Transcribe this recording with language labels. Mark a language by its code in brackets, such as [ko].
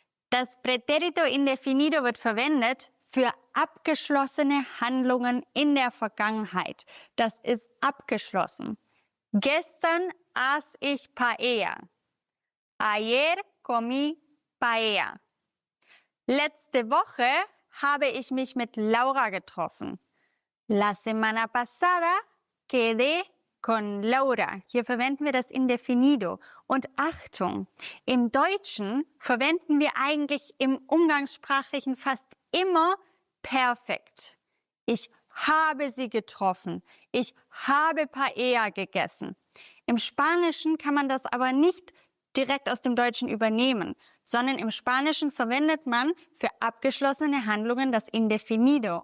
[de] Das Pretérito Indefinido wird verwendet für abgeschlossene Handlungen in der Vergangenheit. Das ist abgeschlossen. Gestern aß ich Paella. [es] Ayer comí Paella. [de] Letzte Woche habe ich mich mit Laura getroffen. [es] La semana pasada quedé con Laura. [de] Hier verwenden wir das Indefinido. Und Achtung, im Deutschen verwenden wir eigentlich im Umgangssprachlichen fast immer Perfekt. Ich habe sie getroffen. Ich habe Paella gegessen. Im Spanischen kann man das aber nicht direkt aus dem Deutschen übernehmen, sondern im Spanischen verwendet man für abgeschlossene Handlungen das Indefinido.